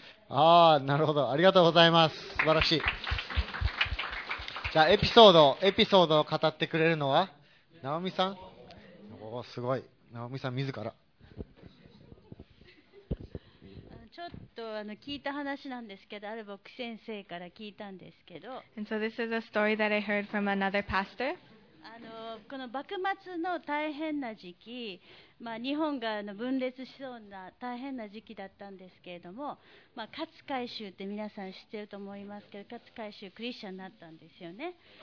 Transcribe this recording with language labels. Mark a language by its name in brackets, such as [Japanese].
[Japanese] あー、なるほど、ありがとうございます。素晴らしい。じゃあエピソードを語ってくれるのは直美さん。おお、すごい、直美さん自ら。ちょっと聞いた話なんですけど、ある牧師先生から聞いたんですけど、 [English] And so this is a story that I heard from another pastor. [Japanese] この幕末の大変な時期、まあ、日本が分裂しそうな大変な時期だったんですけれども、まあ、勝海舟って皆さん知ってると思いますけど、勝海舟クリスチャンになったんですよね。